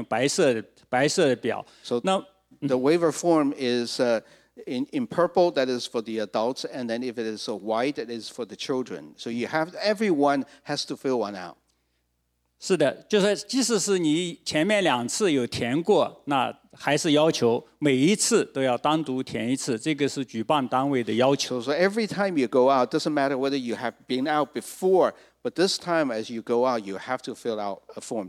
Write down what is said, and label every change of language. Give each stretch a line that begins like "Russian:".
Chinese: 那豁免表呢，我们分成大人的和孩子的。那如果你一进来的时候呢，大人是用紫色的表，小孩子是要用白色的表。So
English: the waiver form is in purple, that is for the adults, and then if it is so white, it is for the children. So you have everyone has to fill one out.
Chinese: 是的，就是即使是你前面两次有填过，那还是要求每一次都要单独填一次，这个是举办单位的要求。
English: So every time you go out, doesn't matter whether you have been out before, but this time as you go out, you have to fill out a form.